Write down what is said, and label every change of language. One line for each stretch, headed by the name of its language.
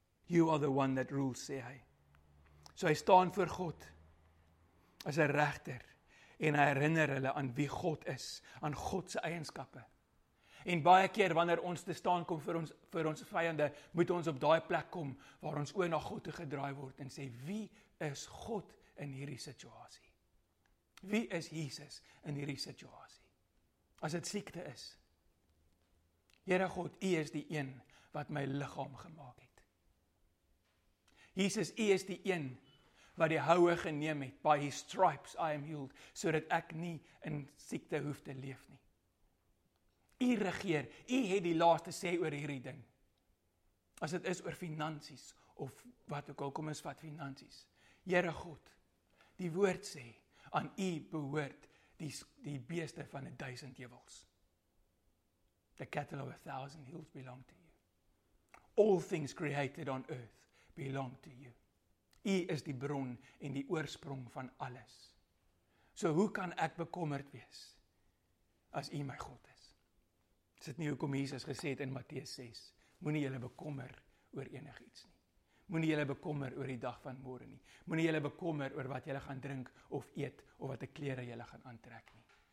English: You are the one that rules,
Afrikaans: sê hy. So hy staan voor God as 'n regter en hy herinner hulle aan wie God is, aan God se eienskappe. En baie keer wanneer ons te staan kom vir ons vyande, moet ons op daai plek kom waar ons oë na God toe gedraai word en sê wie is God in hierdie situasie? Wie is Jesus in hierdie situasie? As dit siekte is. Here God, U is die een wat my liggaam gemaak het. Jesus, U is die een wat die houwe geneem het,
English: by His stripes I am healed,
Afrikaans: so dat ek nie in siekte hoef te leef nie. U regeer, U het die laaste sê oor hierdie ding. As dit is oor finansies, of wat ook al kom is wat finansies. Here God, die woord sê, aan U behoort die beeste van 1000 heuwels.
English: The cattle of 1000 hills belong to you. All things created on earth belong to you.
Afrikaans: U is die bron en die oorsprong van alles. So hoe kan ek bekommerd wees as U my God is? Is dit nie hoekom Jesus gesê het in Matteus 6, moenie julle bekommer oor enigiets nie. Moenie julle bekommer oor die dag van môre nie. Moenie julle bekommer oor wat julle gaan drink of eet of wat ek klere julle gaan aantrek nie.